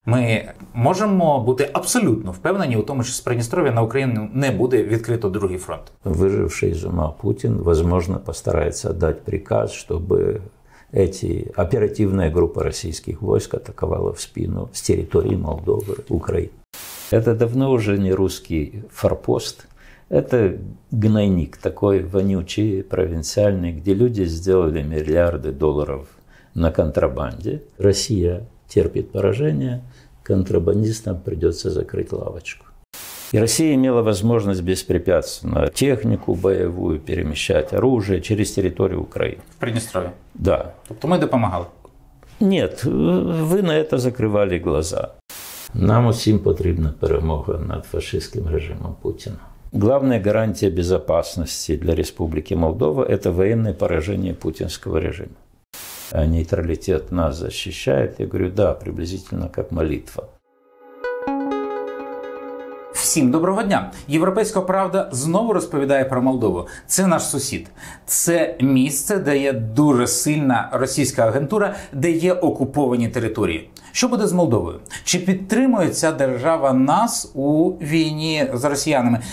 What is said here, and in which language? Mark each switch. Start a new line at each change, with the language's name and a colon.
Ukrainian: Ми можемо бути абсолютно впевнені у тому, що з Придністров'я на Україну не буде відкрито другий фронт. Виживший з ума Путін, можливо, постарається дати приказ, щоб ці оперативна група російських військ атакувала в спину з території Молдови, України. Це давно вже не російський форпост.
Russian: Это гнойник, такой вонючий, провинциальный, где люди сделали миллиарды долларов на контрабанде. Россия терпит поражение, контрабандистам придется закрыть лавочку. И Россия имела возможность беспрепятственно технику боевую перемещать, оружие через территорию Украины. В Приднестровье? Да. То есть мы допомагали? Нет, вы на это закрывали глаза.
Ukrainian: Нам усім потрібна перемога над
Russian: фашистским режимом Путина. Главная гарантия безопасности для Республики Молдова – это военное поражение путинского режима. А нейтралитет нас защищает? Я говорю, да, приблизительно как молитва.
Ukrainian: Всім доброго дня! Європейська правда знову розповідає про Молдову. Це наш сусід. Це місце, де є дуже сильна російська агентура, де є окуповані території. Що буде з Молдовою? Чи підтримує ця держава нас у війні з росіянами?